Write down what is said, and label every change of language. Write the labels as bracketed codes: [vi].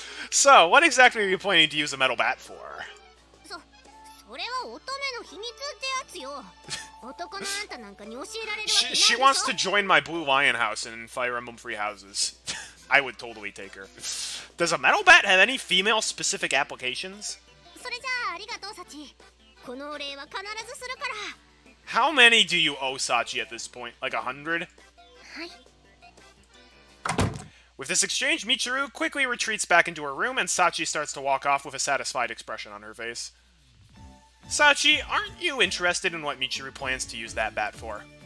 [en] So, what exactly are you planning to use a metal bat for? [ja] それは乙女の秘密ってやつよ。男のあんたなんかに教えられるわけないで [en] しょ。She wants to join my Blue Lion House and Fire Emblem Three Houses. I would totally take her. Does a metal bat have any female specific applications? [ja] それじゃあありがとう、サチ。このお礼は必ずするから。 [en] How many do you owe Sachi at this point? Like 100? With this exchange, Michiru quickly retreats back into her room, and Sachi starts to walk off with a satisfied expression on her face. Sachi, aren't you interested in what Michiru plans to use that bat for?